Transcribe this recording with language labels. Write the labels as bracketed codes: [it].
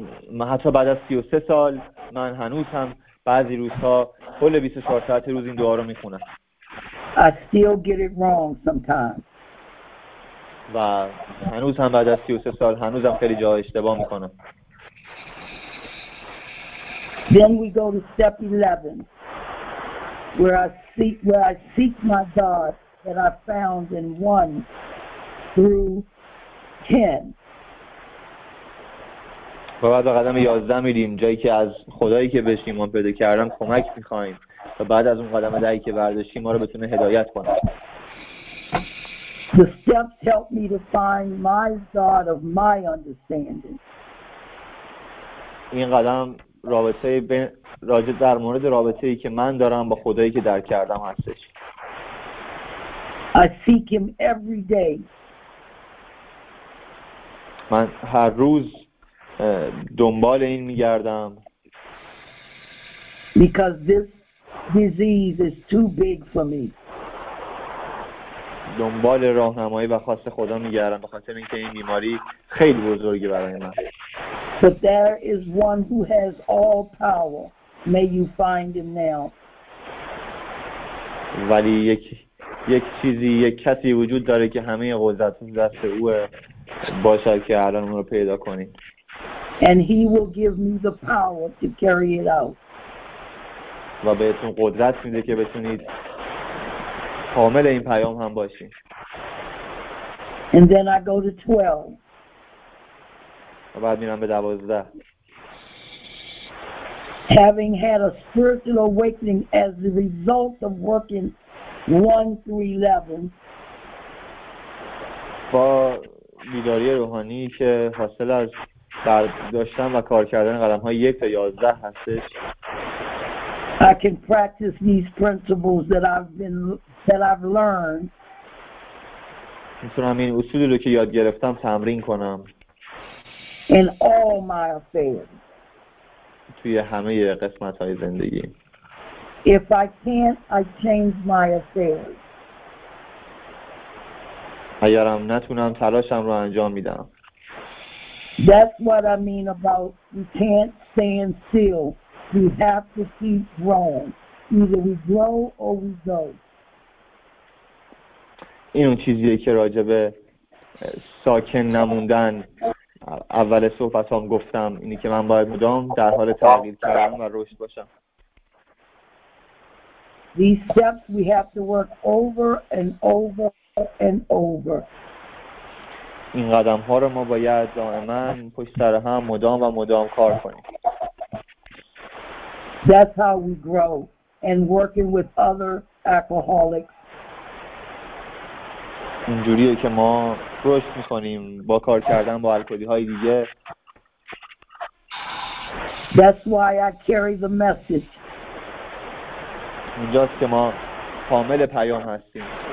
[fa] من حتی بعد از 33 سال من هنوز هم بعضی روزها کل 24 ساعت روز این دعا رو میخونم. [en] I still get it wrong sometimes. [fa] و هنوز هم بعد از 33 سال هنوز هم خیلی جا اشتباه میکنم. [en] Then we go to step 11 where I seek my God that I found in 1 through 10. [fa] و بعد به قدم 11 میریم، جایی که از خدایی که بهش ایمان پیدا کردم کمک میخواییم و بعد از اون قدم 10 که برداشتیم ما رو بتونه هدایت کنه. [en] The steps help me to find my God of my understanding. [fa] این قدم رابطه راجع در مورد رابطه ای که من دارم با خدایی که درک کردم هستش. [en] I seek him every day. [fa] من هر روز دنبال این میگردم. [en] Because this disease is too big for me. [fa] دنبال راهنمایی و خواست خدا میگردم به خاطر اینکه این بیماری خیلی بزرگی برای من. [en] But there is one who has all power. May you find him now. [fa] ولی یک چیزی، یک کسی وجود داره که همه قدرت دست اوه. باشد که الان اون رو پیدا کنید. [en] And he will give me the power to carry it out. [fa] و بهتون قدرت میده که بتونید حامل این پیام هم باشید. [en] And then I go to 12. [fa] و بعد میرم به 12. [en] Having had a spiritual awakening as the result of working 1 through 11. [fa] با بیداری روحانی که حاصل از در داشتن و کار کردن قدم های 1 تا 11 هستش. [en] I can practice these principles that I've learned. [fa] میتونم این اصولی رو که یاد گرفتم تمرین کنم. [en] In all my affairs. [fa] توی همه قسمت های زندگی. [en] If I can't, I change my affairs. [fa] اگرم نتونم تلاشم رو انجام میدم. [en] That's what I mean about we can't stand still. We have to keep growing. Either we grow or we go. [fa] این اون چیزیه که راجع به ساکن نموندن اول صحبت هم گفتم، اینی که من باید مدام در حال تغییر کردن و رشد باشم. [en] These steps we have to work over and over and over. [fa] این قدم ها رو ما باید دائما پشت سر هم مدام و مدام کار کنیم. [en] That's how we grow and working with other alcoholics. [fa] اینجوریه که ما رشد می‌کنیم با کار کردن با الکلی‌های دیگه. [en] That's why I carry the message. [fa] اینجاست که ما حامل پیام هستیم.